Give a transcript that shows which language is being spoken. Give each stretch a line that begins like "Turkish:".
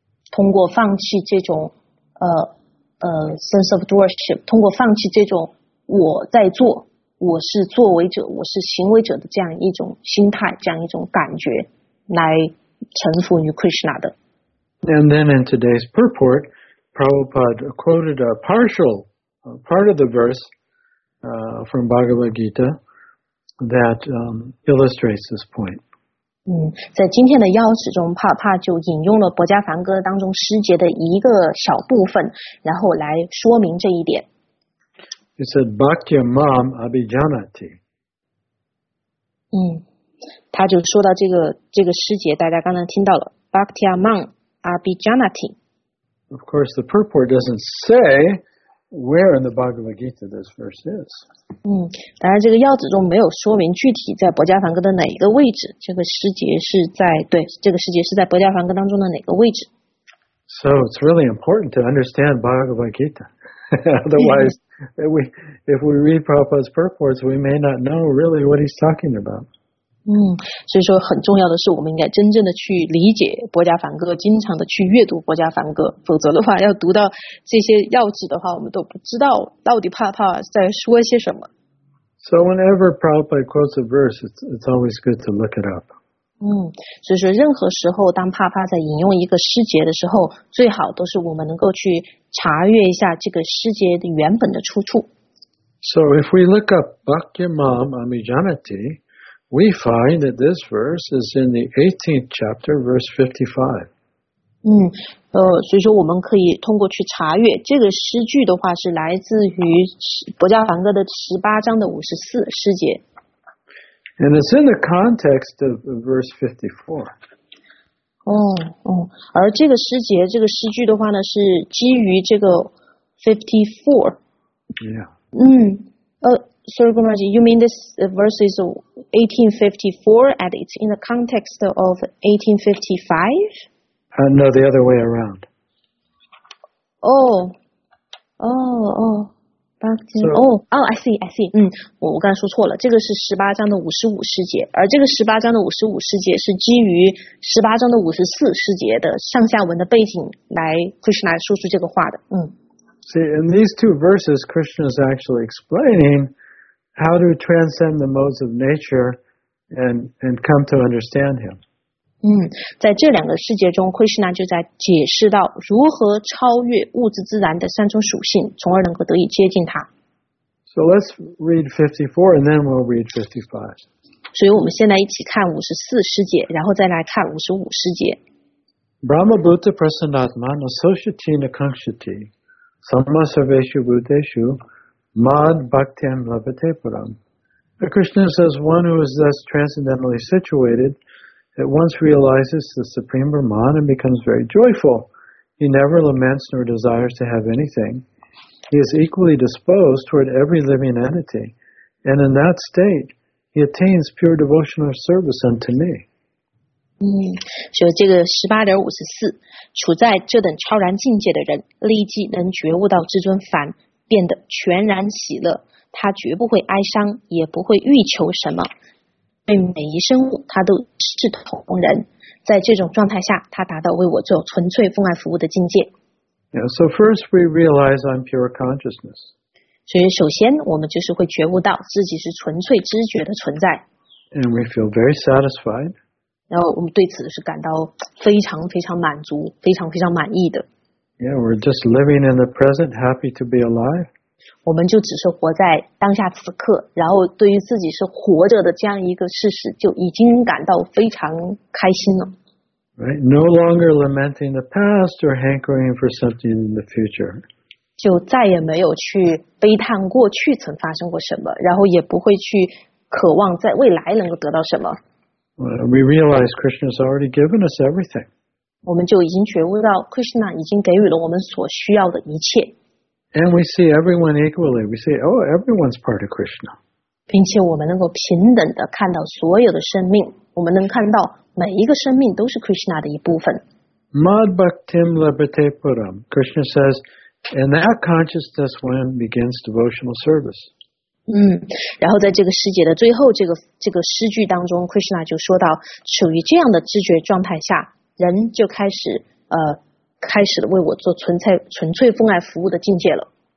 Chinese: 通过放弃这种
English: sense of doership,
Chinese: 通过放弃这种我在做，我是作为者，我是行为者的这样一种心态，这样一种感觉，来臣服于 Krishna 的。
English: And then in today's purport, Prabhupada quoted a partial part of the verse from Bhagavad Gita that illustrates this point.
Chinese: 在今天的邀旨中，帕帕就引用了《博迦梵歌》当中诗节的一个小部分，然后来说明这一点。
English: He said,
Sanskrit: "Bhakti mam abhijanati."
Chinese: 他就说到这个诗节，大家刚才听到了
Sanskrit: "Bhakti mam abhijanati."
English: Of course, the purport doesn't say where in the Bhagavad Gita this verse is.
Chinese: 当然这个要旨中没有说明具体在博迦梵歌的哪一个位置，这个诗节是在，对，这个诗节是在博迦梵歌当中的哪个位置。
English: So it's really important to understand Bhagavad Gita. Otherwise, if we read Prabhupada's purports, we may not know really what he's talking about.
Chinese: 所以说很重要的是我们应该真正的去理解博迦梵歌，经常的去阅读博迦梵歌，否则的话要读到这些要旨的话，我们都不知道到底帕帕在说些什么。
English: So whenever Prabhupada quotes a verse, it's always good to look it up.
Chinese: 所以说任何时候当帕帕在引用一个诗节的时候，最好都是我们能够去查阅一下这个诗节的原本的出处。
English: So if we look up
Sanskrit: Bhakti Mam Abhijanati,
English: we find that this verse is in the 18th chapter, verse 55.
Chinese: 所以说我们可以通过去查阅这个诗句的话，是来自于博迦梵歌的18章的54诗节。
English: And it's in the context of verse 54.
Chinese: 哦哦，而这个诗节这个诗句的话呢，是基于这个 54。 Yeah. Mm.
English: Sir, you mean this verse is 1854 and it's in the context of 1855? No, the other way around. Oh. Oh, oh. Back in, so, oh, oh, I see, I see.
Chinese: 我刚才说错了，这个是18章的55诗节，而这个18章的55诗节是基于18章的54诗节的上下文的背景来 Krishna 来说出这个话的。
English: See, in these two verses, Krishna is actually explaining how to transcend the modes of nature and come to understand him.
Chinese: 在这两个世界中 ，Krishna 就在解释到如何超越物质自然的三种属性，从而能够得以接近他。
English: So let's read 54 and then we'll read 55.
Chinese: 所以我们现在一起看54诗节，然后再来看55诗节。
Sanskrit: Brahma Bhuta Prasannatma Nasoshati Nakankshati. Sama Sarveshu Bhuteshu Mad Bhaktiam Labhate Param.
English: Krishna says, one who is thus transcendentally situated at once realizes the Supreme Brahman and becomes very joyful. He never laments nor desires to have anything. He is equally disposed toward every living entity. And in that state, he attains pure devotional service unto me.
Chinese: 所以这个 18.54 处在这等超然境界的人立即能觉悟到至尊凡变得全然喜乐，他绝不会哀伤，也不会欲求什么，对每一生物他都是同人，在这种状态下他达到为我做纯粹奉爱服务的境界。
English: Yeah, so first we realize I'm pure consciousness.
Chinese: 所以首先我们就是会觉悟到自己是纯粹知觉的存在。
English: And we feel very satisfied.
Chinese: 然后我们对此是感到非常非常满足，非常非常满意的。
English: Yeah, we're just living in the present, happy to be alive.
Chinese: 我们就只是活在当下此刻，然后对于自己是活着的这样一个事实，就已经感到非常开心了。
English: Right, no longer lamenting the past or hankering for something in the future.
Chinese: 就再也没有去悲叹过去曾发生过什么，然后也不会去渴望在未来能够得到什么。
English: We realize Krishna has already given us everything.
Chinese: 我们就已经觉悟到 Krishna 已经给予了我们所需要的一切。
English: And we see everyone equally. We see, oh, everyone's part of Krishna.
Chinese: 并且我们能够平等地看到所有的生命，我们能看到每一个生命都是 Krishna 的一部分。
Sanskrit: Mad Bhaktim Labhate Param.
English: Krishna says, in that consciousness one begins devotional service.
Chinese: 然后在这个诗节的最后这个诗句当中 Krishna 就说到属于这样的知觉状态下人就开始为我做纯粹奉爱服务的境界了。